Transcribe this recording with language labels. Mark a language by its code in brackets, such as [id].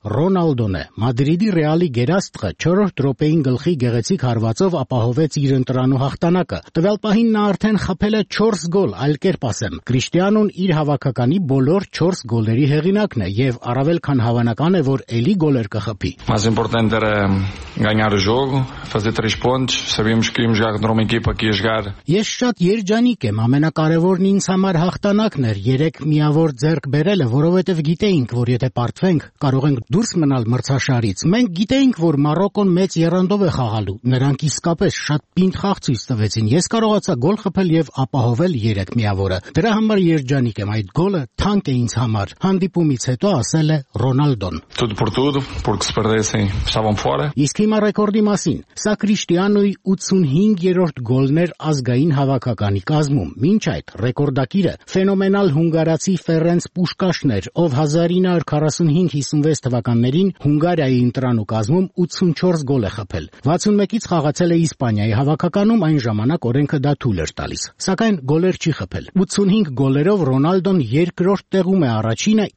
[hy] Ռոնալդոն է։ Մադրիդի Ռեալի գերաստղը 4-րդ րոպեին գլխի գեղեցիկ հարվածով ապահովեց իր ընտրանու հաղթանակը։ Տվյալ պահին նա արդեն խփել է 4 գոլ, այլերբ ասեմ, Կրիշտիանոն իր հավաքականի բոլոր 4 գոլերի հեղինակն է և առավել քան հավանական է, որ էլի գոլեր կխփի։ [pt] Más importante era ganhar o jogo, fazer 3 pontos, sabíamos que íamos jogar contra uma equipa que ia jogar. [hy] Ես շատ երջանիկ եմ, ամենակարևորն ինձ համար հաղթանակն էր, 3 միավոր ձեռք բերելը, որովհետև գիտեինք, որ եթե պարտվենք, կարող ենք դուրս մնալ մրցաշարից։ Մենք գիտեինք, որ Մարոկոն մեծ երանդով է խաղալու, նրանք իսկապես շատ պինդ խաղ ցույց տվեցին։ Ես կարողացա գոլ խփել և ապահովել 3 միավորը։ Դրա համար երջանիկ եմ, այդ գոլը թանկ է ինձ համար։ Հանդիպումից հետո ասել է Ռոնալդոն. [pt] Tudo por tudo, porque se perdessem, estavam fora. [hy] Իսկ հիմա ռեկորդի մասին. Սա Կրիշտիանոյի 85-րդ գոլն էր ազգային հավաքականի կազմում։ Մինչ այդ ռեկորդակիրը ֆենոմենալ հունգարացի Ֆերենց Պուշկաշն էր, ով 1945-56 թվականներին Հունգարիայի ընտրանու կազմում 84 գոլ է խփել։ 61-ից խաղացել է Իսպանիայի հավաքականում, այն ժամանակ օրենքը դա թույլ էր տալիս, սակայն գոլեր չի խփել։ 85 գոլերով Ռոնալդոն երկրորդ տեղում է, առաջինը